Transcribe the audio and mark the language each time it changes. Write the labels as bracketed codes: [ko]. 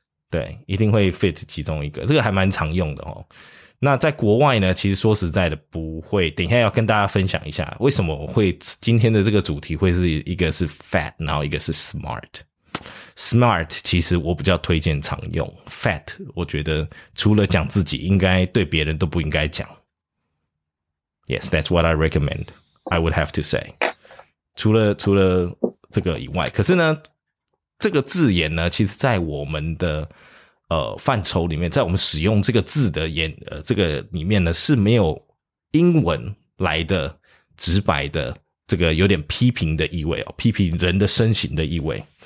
[zh] 对，一定会 fit 其中一个，这个还蛮常用的哦。那在国外呢，其实说实在的不会，等一下要跟大家分享一下为什么会今天的这个主题会是一个是 fat 然后一个是 smart。 smart 其实我比较推荐常用， fat 我觉得除了讲自己应该对别人都不应该讲。 [en] Yes, that's what I recommend, I would have to say, [zh] 除了这个以外。可是呢这个字眼呢其实在我们的范畴里面，在我们使用这个字的这个里面呢是没有英文来的直白的这个有点批评的意味哦，批评人的身形的意味。